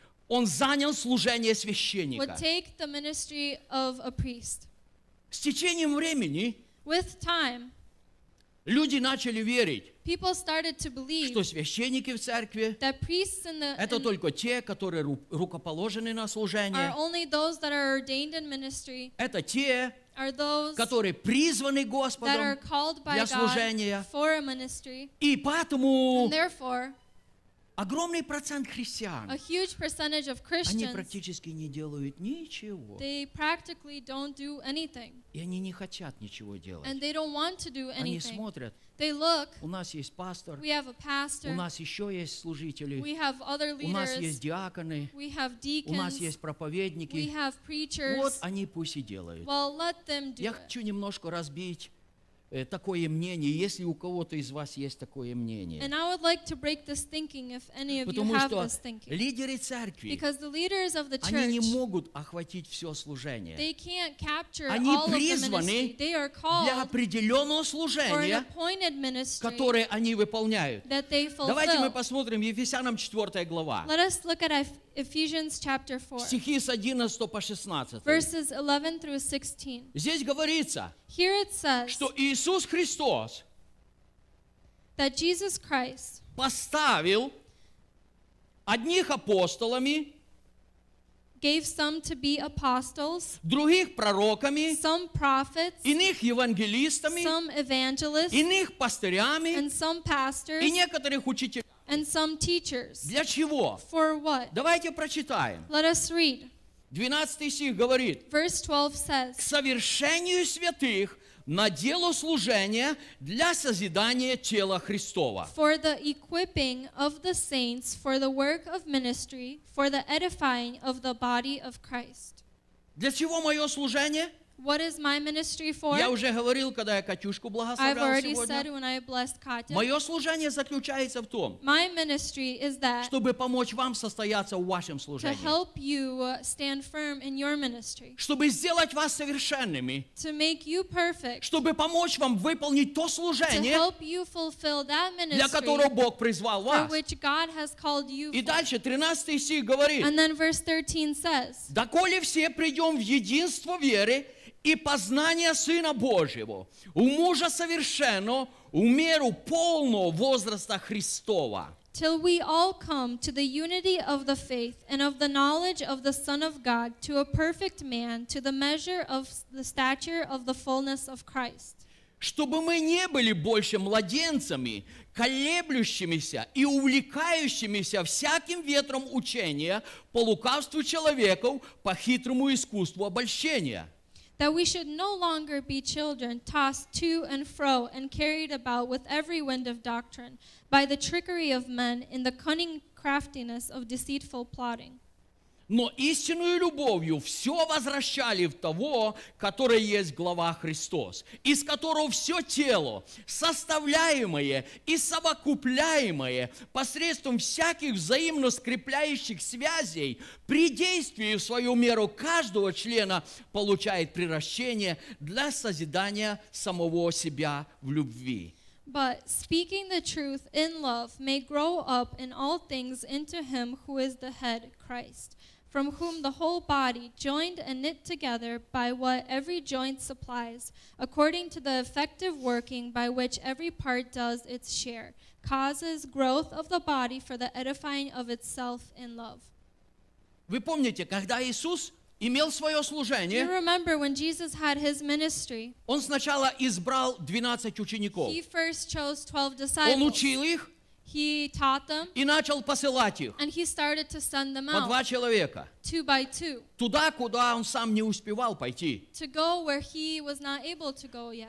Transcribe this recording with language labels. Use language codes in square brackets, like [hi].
[ru] он занял служение священника. [en] Would take the ministry of a priest. [ru] С течением времени [en] with time, [ru] люди начали верить, [en] people started to believe [ru] что священники в церкви [en] that priests in the, [ru] это только те, которые рукоположены на служение, [en] are only those that are ordained in ministry, [ru] это те, [en] are those [ru] которые призваны Господом [en] that are called by [ru] для служения. [en] God for a ministry, [ru] и поэтому [en] and therefore, [ru] огромный процент христиан, [en] a huge percentage of Christians, [ru] они практически не делают ничего. [en] They practically don't do anything. [ru] И они не хотят ничего делать. [en] And they don't want to do anything. [ru] Они смотрят. [en] They look. [ru] У нас есть пастор. [en] We have a pastor. [ru] У нас еще есть служители. [en] We have other leaders. [ru] У нас есть диаконы. [en] We have deacons. [ru] У нас есть проповедники. [en] We have preachers. [ru] Вот они пусть и делают. [en] Well, let them do. [ru] Я хочу немножко разбить такое мнение, если у кого-то из вас есть такое мнение. [en] And I would like to break this thinking if any of [ru] потому [en] you have this thinking. [ru] Лидеры церкви, [en] because the leaders of the church, [ru] они не могут охватить все служение. [en] They can't capture [ru] они [en] all [ru] призваны [en] of the ministry. They are called [ru] для определенного служения, [en] for an appointed ministry, [ru] которое они выполняют. [en] That they fulfill. [ru] Давайте мы посмотрим Ефесянам 4 глава. [en] Let us look at Ephesians chapter 4. [ru] Стихи с 11 по 16. [en] Verses 11 through 16. [ru] Здесь говорится, [en] here it says, [ru] что Иисус Христос, [en] that Jesus Christ, [ru] поставил одних апостолами, [en] gave some to be apostles, [ru] других пророками, [en] some prophets, [ru] иных евангелистами, [en] some evangelists, [ru] иных пастырями, [en] and some pastors, [ru] и некоторых учителей. [en] And some teachers. [ru] Для чего? [en] For what? [ru] Давайте прочитаем. [en] Let us read. [ru] 12 стих говорит. [en] Verse 12 says. [ru] К совершению святых на дело служения для созидания тела Христова. [en] For the equipping of the saints for the work of ministry for the edifying of the body of Christ. [ru] Для чего мое служение? [en] What is my ministry for? [ru] Я уже говорил, когда я Катюшку благословлял [en] I've already [ru] сегодня. [en] Said when I blessed Katya. [ru] Мое служение заключается в том, [en] my ministry is that [ru] чтобы помочь вам состояться в вашем служении. [en] To help you stand firm in your ministry. [ru] Чтобы сделать вас совершенными. [en] To make you perfect. [ru] Чтобы помочь вам выполнить то служение, [en] to help you fulfill that ministry, [ru] для которого Бог призвал вас. [en] For which God has called you [ru] и дальше, 13 стих говорит, [en] and then verse 13 says, [ru] доколе все придем в единство веры, и познание Сына Божьего, у мужа совершенно, у меру полного возраста Христова. [en] Till we all come to the unity of the faith and of the knowledge of the Son of God, to a perfect man, to the measure of the stature of the fullness of Christ. [ru] Чтобы мы не были больше младенцами, колеблющимися и увлекающимися всяким ветром учения по лукавству человеков, по хитрому искусству обольщения. [en] That we should no longer be children tossed to and fro and carried about with every wind of doctrine by the trickery of men in the cunning craftiness of deceitful plotting. [ru] Но истинную любовью все возвращали в того, который есть глава Христос, из которого все тело, составляемое и совокупляемое посредством всяких взаимно скрепляющих связей, при действии в свою меру каждого члена получает приращение для созидания самого себя в любви. [en] But speaking the truth in love may grow up in all things into him who is the head, Christ. From whom the whole body, joined and knit together by what every joint supplies, according to the effective working by which every part does its share, causes growth of the body for the edifying of itself in love. [ru] Вы помните, когда Иисус имел свое служение? [en] You remember when Jesus had his ministry? [ru] Он сначала избрал 12 учеников. [en] He first chose 12 disciples. [ru] Он учил их. [en] He taught them. [ru] И начал посылать их. [en] And he started to send them out. [ru] По два человека. [en] Two by two. [ru] Туда, куда он сам не успевал пойти. [en] To go where he was not able to go yet.